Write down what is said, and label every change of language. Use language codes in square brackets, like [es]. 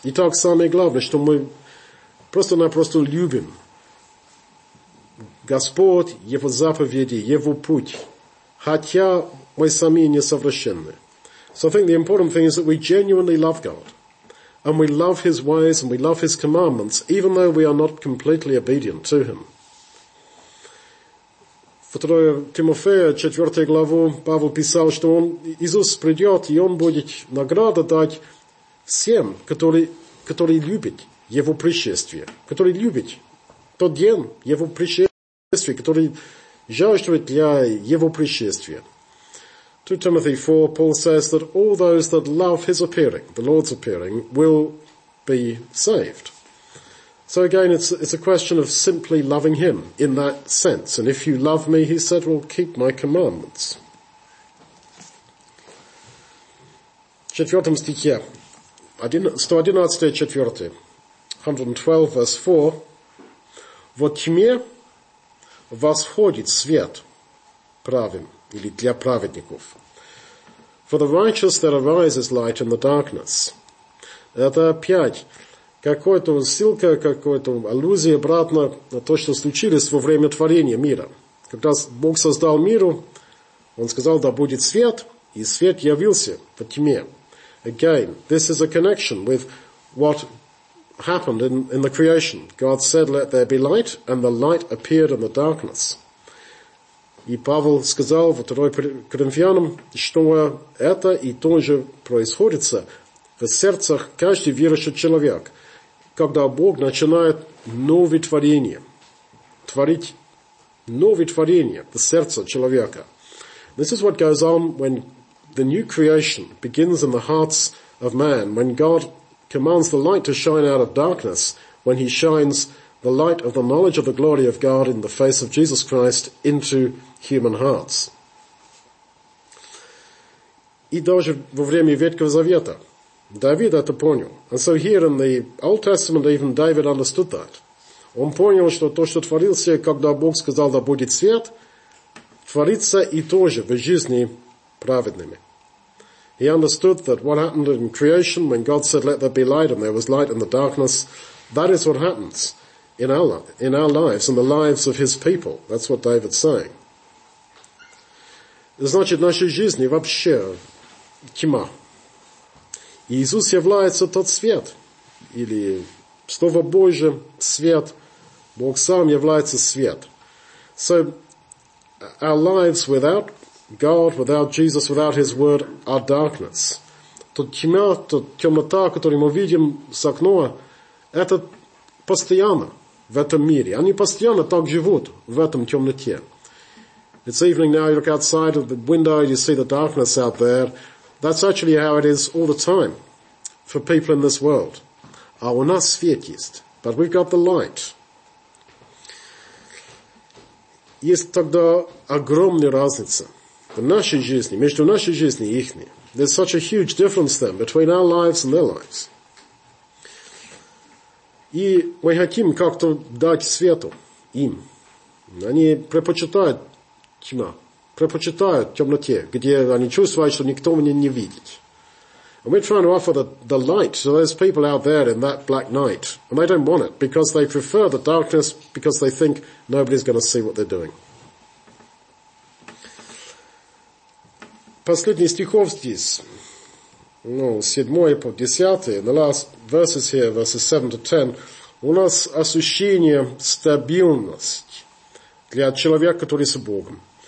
[ru] Итак, самое главное, что мы просто-напросто любим Господь, Его заповеди, Его путь, хотя мы сами не совращены. [en] So I think the important thing is that we genuinely love God. And we love His ways and we love His commandments, even though we are not completely obedient to Him. [ru] Второе Тимофея, 4 главу, Павел писал, что он, Иисус придет, и Он будет награду дать всем, которые любят Его пришествие, которые любят тот день Его пришествия, которые жаждут для Его пришествия. [en] 2 Timothy 4, Paul says that all those that love His appearing, the Lord's appearing, will be saved. So again, it's a question of simply loving Him in that sense. And if you love Me, He said, well, keep My commandments. [ru] Четвертом стихе, 111-4, 112, verse 4, «Во тьме восходит свет правым, или для праведников». [en] For the righteous there arises light in the darkness. [ru] Это опять какая-то ссылка, какая-то аллюзия обратно на то, что случилось во время творения мира. Когда Бог создал мир, Он сказал, да будет свет, и свет явился во тьме. [en] Again, this is a connection with what happened in the creation. God said, let there be light, and the light appeared in the darkness. [ru] И Павел сказал во 2 Коринфянам, что это и то же происходит в сердцах каждого верующего человека, когда Бог начинает новое творение, творить новое творение в сердце человека. [en] This is what goes on when the new creation begins in the hearts of man, when God commands the light to shine out of darkness, when He shines the light of the knowledge of the glory of God in the face of Jesus Christ into human hearts. [ru] И даже во время Ветхого Завета Давид это понял. [en] And so here in the Old Testament even David understood that. [ru] Он понял, что то, что творился, когда Бог сказал, да будет свет, творится и тоже в жизни праведными. [en] He understood that what happened in creation when God said, let there be light, and there was light in the darkness, that is what happens in our lives, in the lives of his people. That's what David's saying. [ru] Значит, наша жизнь вообще тьма. Иисус является тот свет, или Слово Божие, свет, Бог сам является свет. [en] So, our lives without God, without Jesus, without his word, our darkness. [ru] Тот темнота, которую мы видим с окна, это постоянно в этом мире. Они постоянно так живут в этом темноте. [en] It's evening now, you look outside of the window, you see the darkness out there. That's actually how it is all the time for people in this world. [ru] А у нас свет есть, [en] but we've got the light. [ru] Есть тогда огромная разница. В нашей жизни, между нашей жизнью и ихней. [en] There's such a huge difference then between our lives and their lives. [ru] И мы хотим как-то дать свету им. Они предпочитают тьма, предпочитают темноте, где они чувствуют, что никто меня не видит. [en] And we're trying to offer the light to those people out there in that black night. And they don't want it because they prefer the darkness because they think nobody's going to see what they're doing. [ru] Последний стихов здесь, ну, 7-10, [en] the last verses here, verses 7-10, [ru] у нас ощущение стабильности для человека, который с Богом.